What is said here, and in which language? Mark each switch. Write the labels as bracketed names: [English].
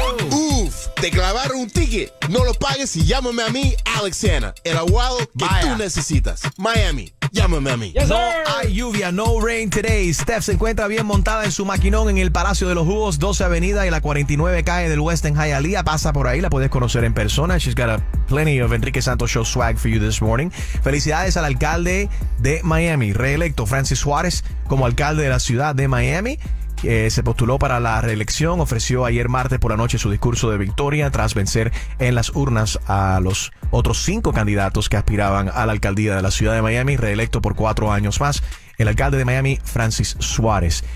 [Spanish] Uf, de clavar un ticket, no lo pagues y llámame a mí, Alex Anna, el abogado que Maya. Tú necesitas. Miami, llámame a mí. [English] Yes, [Spanish] no hay lluvia, [English] no rain today. [Spanish] Steph se encuentra bien montada en su maquinón en el Palacio de los Jugos, 12 Avenida y la 49 calle del West en Hialeah. Pasa por ahí, la puedes conocer en persona. [English] She's got a plenty of Enrique Santos Show swag for you this morning. [Spanish] Felicidades al alcalde de Miami, reelecto Francis Suárez como alcalde de la ciudad de Miami. Se postuló para la reelección, ofreció ayer martes por la noche su discurso de victoria tras vencer en las urnas a los otros 5 candidatos que aspiraban a la alcaldía de la ciudad de Miami, reelecto por 4 años más, el alcalde de Miami, Francis Suárez.